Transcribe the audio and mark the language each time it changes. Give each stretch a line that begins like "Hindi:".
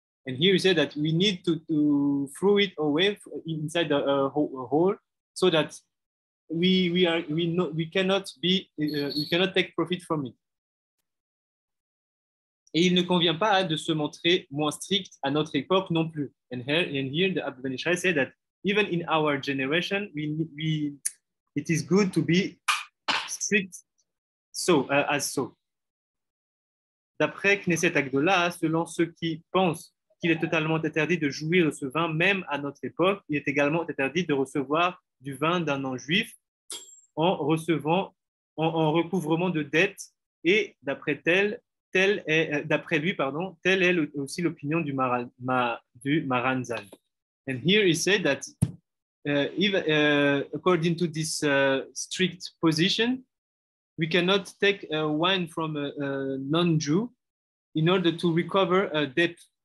English: And here you say that we need to throw it away inside a hole so that we cannot take profit from it.
French: Et il ne convient pas de se montrer moins strict à notre époque non plus.
English: And here the Abba Ben Yishai said that even in our generation, it is good to be strict so.
French: D'après Knesset Agdola, selon ceux qui pensent qu'il est totalement interdit de jouir de ce vin, même à notre époque, il est également interdit de recevoir du vin d'un non-juif en recouvrement de dettes. Et d'après lui, telle est aussi l'opinion du Maran Zal.
English: And here he said that according to this strict position, we cannot take wine from a non-Jew in order to recover a debt.